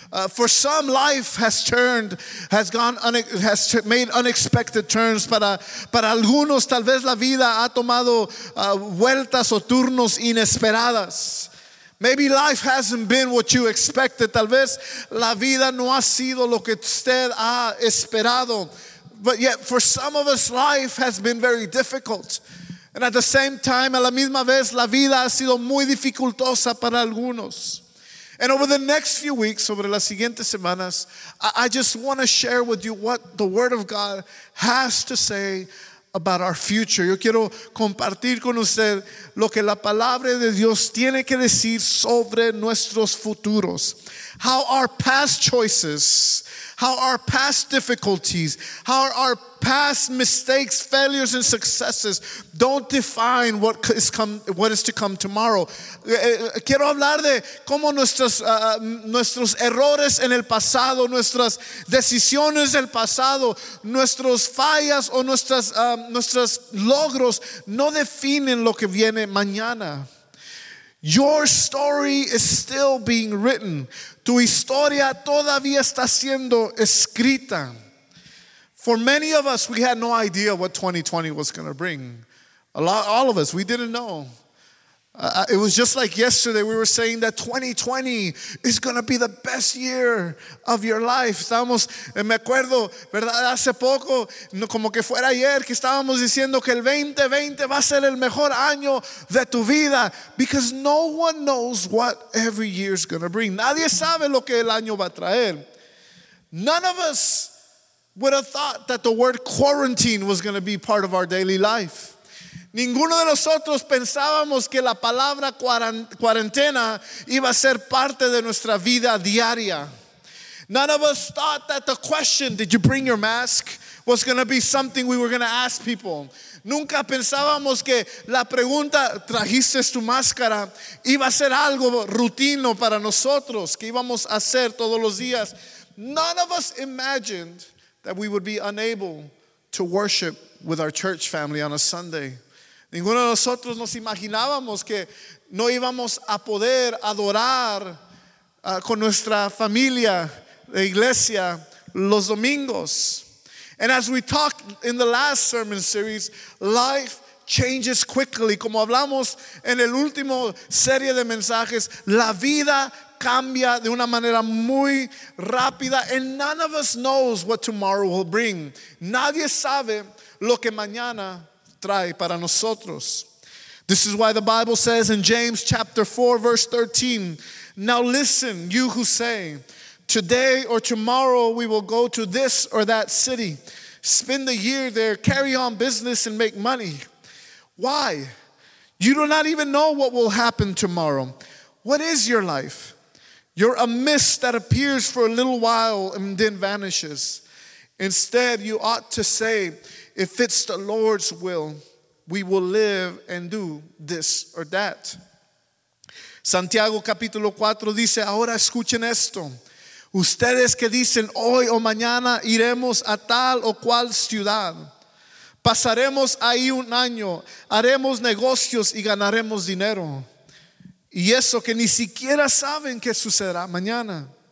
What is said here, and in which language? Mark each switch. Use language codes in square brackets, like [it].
[en] For some, life has made unexpected turns. [es] Para algunos, tal vez la vida ha tomado vueltas o turnos inesperadas. [en] Maybe life hasn't been what you expected. [es] Tal vez la vida no ha sido lo que usted ha esperado. [en] But yet, for some of us, life has been very difficult. And at the same time, [es] a la misma vez, la vida ha sido muy dificultosa para algunos. [en] And over the next few weeks, [es] sobre las siguientes semanas, [en] I just want to share with you what the Word of God has to say about our future. [es] Yo quiero compartir con usted lo que la palabra de Dios tiene que decir sobre nuestros futuros. [en] How our past choices, how our past difficulties, how our past mistakes, failures, and successes don't define what is to come tomorrow. [es] Quiero hablar de cómo nuestros errores en el pasado, nuestras decisiones del pasado, nuestras fallas o nuestros logros no definen lo que viene mañana. [en] Your story is still being written. [es] Tu historia todavía está siendo escrita. [en] For many of us, we had no idea what 2020 was going to bring. All of us, we didn't know. It was just like yesterday, we were saying that 2020 is going to be the best year of your life. [es] Estábamos, me acuerdo, ¿verdad? Hace poco, como que fuera ayer, que estábamos diciendo que el 2020 va a ser el mejor año de tu vida. [en] Because no one knows what every year is going to bring. [es] Nadie sabe lo que el año va a traer. [en] None of us would have thought that the word quarantine was going to be part of our daily life. [es] Ninguno de nosotros pensábamos que la palabra cuarentena iba a ser parte de nuestra vida diaria. [en] None of us thought that the question, "Did you bring your mask?" was going to be something we were going to ask people. [es] Nunca pensábamos que la pregunta, "¿Trajiste tu máscara?" iba a ser algo rutino para nosotros, que íbamos a hacer todos los días. [en] None of us imagined that we would be unable to worship with our church family on a Sunday. [es] Ninguno de nosotros nos imaginábamos que no íbamos a poder adorar con nuestra familia, la iglesia, los domingos. [en] And as we talked in the last sermon series, life changes quickly. [es] Como hablamos en el último serie de mensajes, la vida cambia de una manera muy rápida. [en] And none of us knows what tomorrow will bring. [es] Nadie sabe lo que mañana trae para nosotros. [en] This is why the Bible says in James chapter 4 verse 13, "Now listen, you who say, 'Today or tomorrow we will go to this or that city, spend the year there, carry on business and make money.' Why? You do not even know what will happen tomorrow. What is your life? You're a mist that appears for a little while and then vanishes. Instead, you ought to say, 'If it's the Lord's will, we will live and do this or that.'" [es] Santiago capítulo 4 dice, ahora escuchen esto. Ustedes que dicen, hoy o mañana iremos a tal o cual ciudad. Pasaremos ahí un año, haremos negocios y ganaremos dinero. Y eso que ni siquiera saben qué sucederá mañana.